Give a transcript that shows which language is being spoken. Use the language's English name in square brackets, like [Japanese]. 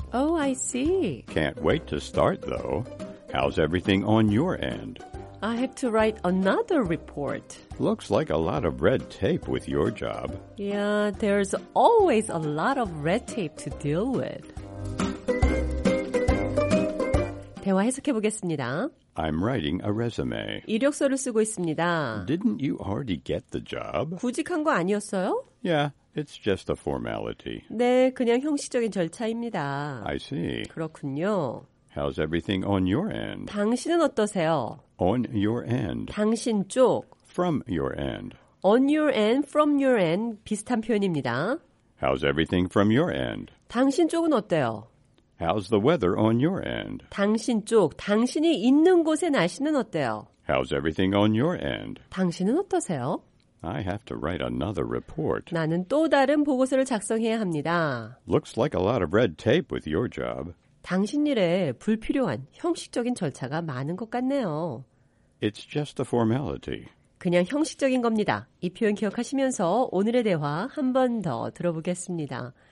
[English] Oh, I see. Can't wait to start, though. How's everything on your end? I have to write another report. Looks like a lot of red tape with your job. Yeah, there's always a lot of red tape to deal with. [Korean] 대화 해석해 보겠습니다. [English] I'm writing a resume. [Korean] 이력서를 쓰고 있습니다. [English] Didn't you already get the job? [Korean] 구직한 거 아니었어요? [English] Yeah, it's just a formality. [Korean] 네, 그냥 형식적인 절차입니다. [English] I see. [Korean] 그렇군요. [English] How's everything on your end? [Korean] 당신은 어떠세요? [English] On your end. [Korean] 당신 쪽. [English] From your end. On your end, from your end. [Korean] 비슷한 표현입니다. [English] How's everything from your end? [Korean] 당신 쪽은 어때요? [English] How's the weather on your end? [Korean] 당신 쪽, 당신이 있는 곳의 날씨는 어때요? [English] How's everything on your end? [Korean] 당신은 어떠세요? [English] I have to write another report. [Korean] 나는 또 다른 보고서를 작성해야 합니다. [English] Looks like a lot of red tape with your job. [Korean] 당신 일에 불필요한 형식적인 절차가 많은 것 같네요. [English] It's just a formality. [Korean] 그냥 형식적인 겁니다. 이 표현 기억하시면서 오늘의 대화 한 번 더 들어보겠습니다.